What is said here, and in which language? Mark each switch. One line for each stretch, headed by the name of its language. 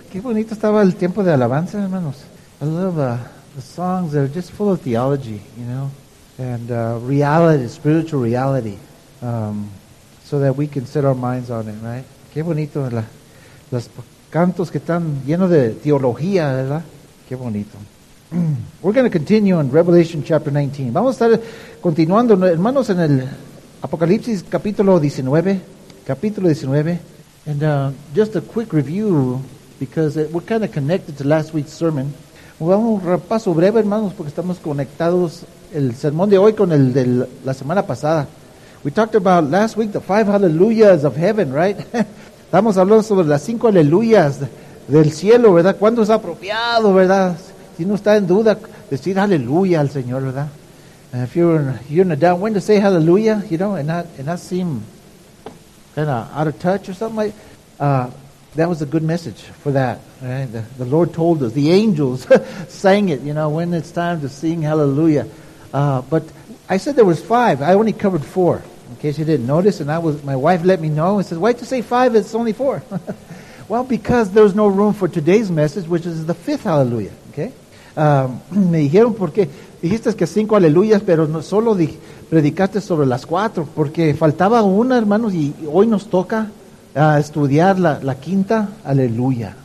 Spanish: Qué bonito estaba el tiempo de alabanza, hermanos.
English: I love the songs that are just full of theology, you know, and reality, spiritual reality, so that we can set our minds on it, right?
Spanish: Qué bonito los cantos que están llenos de teología, ¿verdad? Qué bonito.
English: We're going to continue in Revelation chapter 19.
Spanish: Vamos a estar continuando, hermanos, en el Apocalipsis capítulo 19. Capítulo 19,
English: and just a quick review, because we're kind of connected to last week's sermon.
Spanish: Vamos a repaso breve, hermanos, porque estamos conectados el sermón de hoy con el de la semana pasada.
English: We talked about last week the five hallelujahs of heaven, right?
Spanish: Estamos hablando sobre las cinco aleluyas del cielo, ¿verdad? ¿Cuándo es apropiado, verdad? Si no está en duda, decir aleluya al Señor, ¿verdad?
English: And if you're in a doubt, when to say hallelujah, you know, and not seem kind of out of touch or something like that was a good message for that. Right? The Lord told us. The angels sang it, you know, when it's time to sing hallelujah. But I said there was five. I only covered four, in case you didn't notice. And my wife let me know and said, why'd you say five? It's only four. Well, because there's no room for today's message, which is the fifth hallelujah. Okay?
Spanish: Me dijeron porque dijiste que cinco aleluyas, pero no solo dije. Predicaste sobre las cuatro, porque faltaba una, hermanos, y hoy nos toca estudiar la quinta aleluya.